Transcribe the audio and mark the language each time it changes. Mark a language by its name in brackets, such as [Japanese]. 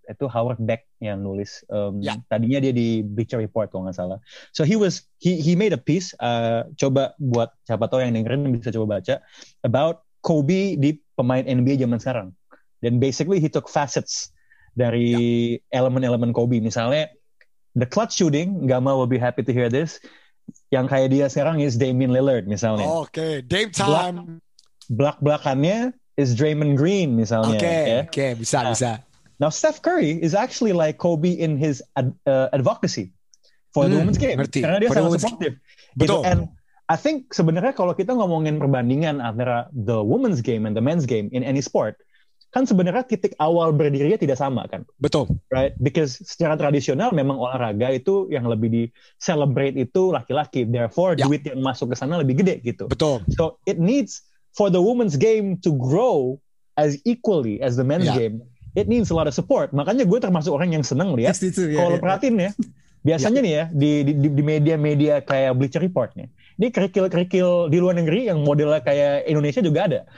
[Indonesian] Itu Howard Beck yang nulis. Tadinya dia di Bleacher Report kalau nggak salah. [English] So he made a piece. [Indonesian] Coba buat siapa tahu yang dengerin bisa coba baca [English] about Kobe [Indonesian] di pemain NBA zaman sekarang. Dan [English] basically he took facets [Indonesian] dari elemen-elemen [English] Kobe. Misalnya the clutch shooting, Gama will be happy to hear this. [Indonesian] Yang kayak dia sekarang is Damian Lillard misalnya. [English] Oke, okay. Dame time. [Indonesian] Blak-blakannya is Draymond Green misalnya. Oke, okay, yeah. Oke, okay, bisa, nah, bisa. [English] Now Steph Curry is actually like Kobe in his advocacy for the women's game. [Indonesian] Ngerti. Karena dia sangat supportive. Betul. Gitu. [English] And I think [Indonesian] sebenarnya kalau kita ngomongin perbandingan antara [English] the women's game and the men's game in any sport, [Indonesian] kan sebenarnya titik awal berdirinya tidak sama kan? Betul. [English] Right? Because [Indonesian] secara tradisional memang olahraga itu yang lebih di celebrate itu laki-laki. [English] Therefore, [Indonesian] duit yang masuk ke sana lebih gede gitu. Betul. [English] So it needs for the women's game to grow as equally as the men's game. It needs a lot of support. [Indonesian] Makanya gue termasuk orang yang seneng lihat. [English] Yes, yeah, [Indonesian] kalau perhatiin ya, biasanya nih ya di media-media kayak Bleacher Report nih. Ini kerikil-kerikil di luar negeri yang modelnya kayak Indonesia juga ada.